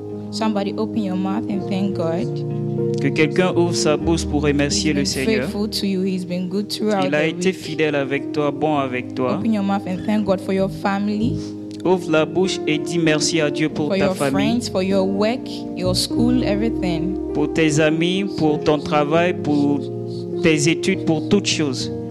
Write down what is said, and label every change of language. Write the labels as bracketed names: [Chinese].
[English] Somebody open your mouth and thank God. [French] Que quelqu'un ouvre sa bouche pour remercier le Seigneur. [English] He's been faithful to you. He's been good throughout the week. [French] Il a été fidèle avec toi, bon avec toi. [English] Open your mouth and thank God for your family. [French] Ouvre la bouche et dis merci à Dieu pour ta famille. [English] For your friends, for your work, your school, everything. [French] Pour tes amis, pour ton travail, pour tes études, pour toutes choses.